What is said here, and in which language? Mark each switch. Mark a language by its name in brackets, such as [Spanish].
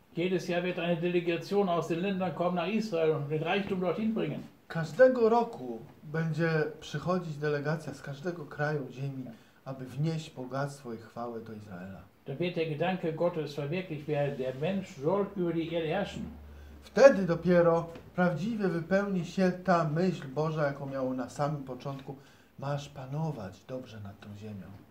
[German] Jedes Jahr wird eine Delegation aus den Ländern kommen nach Israel und den Reichtum dorthin bringen. [Polish] Każdego roku będzie przychodzić delegacja z każdego kraju ziemi, aby wnieść bogactwo i chwałę do Izraela. [German] Da wird der Gedanke Gottes verwirklicht, wer der Mensch soll über die Erde herrschen. [Polish] Wtedy dopiero prawdziwie wypełni się ta myśl Boża, jaką miał na samym początku. Masz panować dobrze nad tą ziemią.